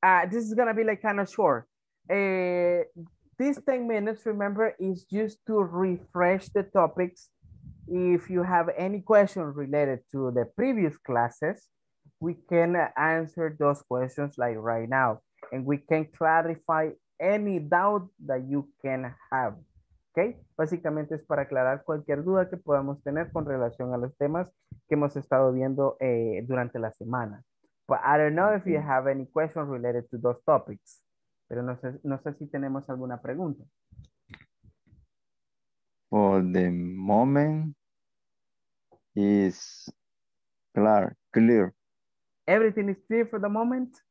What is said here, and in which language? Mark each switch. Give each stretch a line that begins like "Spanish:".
English: This is gonna be like kind of short. These 10 minutes, remember, is just to refresh the topics. If you have any questions related to the previous classes, we can answer those questions like right now, and we can clarify any doubt that you can have. Okay.
Spanish: Básicamente es para aclarar cualquier duda que podamos tener con relación a los temas que hemos estado viendo durante la semana.
English: But I don't know if you have any questions related to those topics.
Spanish: Pero no sé si tenemos alguna pregunta.
English: For the moment, is clear. Everything is clear for the moment?